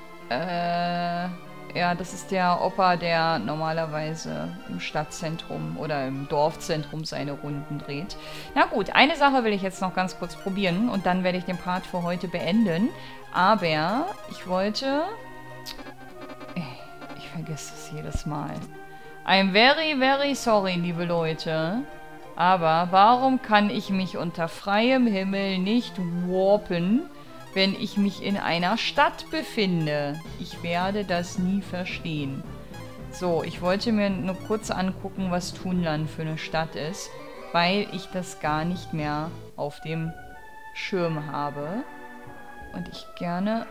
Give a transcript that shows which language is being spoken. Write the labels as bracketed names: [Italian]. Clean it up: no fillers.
[German] ja, das ist der Opa, der normalerweise im Stadtzentrum oder im Dorfzentrum seine Runden dreht. Na gut, eine Sache will ich jetzt noch ganz kurz probieren und dann werde ich den Part für heute beenden. Aber ich wollte... Ich vergesse es jedes Mal. [English] I'm very, very sorry, [German] liebe Leute. Aber warum kann ich mich unter freiem Himmel nicht warpen, wenn ich mich in einer Stadt befinde? Ich werde das nie verstehen. So, ich wollte mir nur kurz angucken, was Thunland für eine Stadt ist, weil ich das gar nicht mehr auf dem Schirm habe. Und ich gerne...